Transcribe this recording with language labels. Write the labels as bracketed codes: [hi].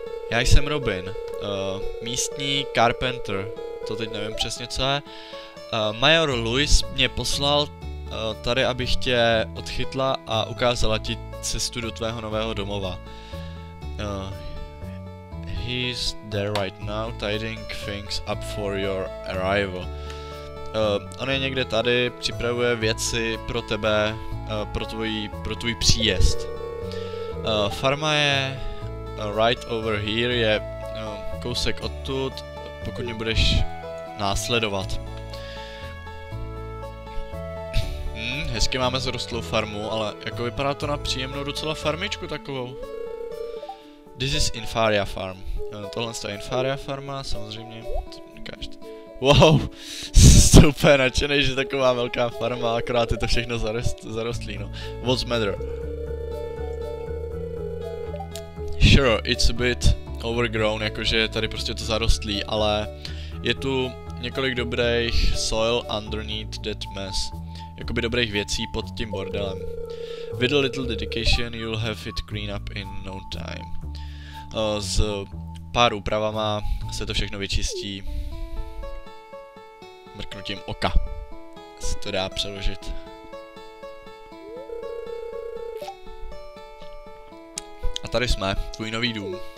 [cs] Já jsem Robin, místní carpenter, to teď nevím přesně co je. Major Louis mě poslal tady, abych tě odchytla a ukázala ti cestu do tvého nového domova. [en] He's there right now, tidying things up for your arrival. [cs] On je někde tady, připravuje věci pro tebe, pro tvůj příjezd. Farma je [en] right over here, [cs] je kousek odtud, pokud mě budeš následovat. Hezky máme zrostlou farmu, ale jako vypadá to na příjemnou docela farmičku takovou. [en] This is Infaria farm. [cs] Tohle je Infaria farma, samozřejmě. Wow, jsem úplně nadšený, že taková velká farma, akorát je to všechno zarostlý, no. [en] What's matter? Sure, it's a bit overgrown, [cs] jakože tady prostě to zarostlý, ale je tu několik dobrých [en] soil underneath that mess. [cs] Jakoby dobrých věcí pod tím bordelem. [en] With a little dedication, you'll have it clean up in no time. [cs] S pár úpravama se to všechno vyčistí. Mrknutím oka se to dá přeložit. A tady jsme, tvůj nový dům.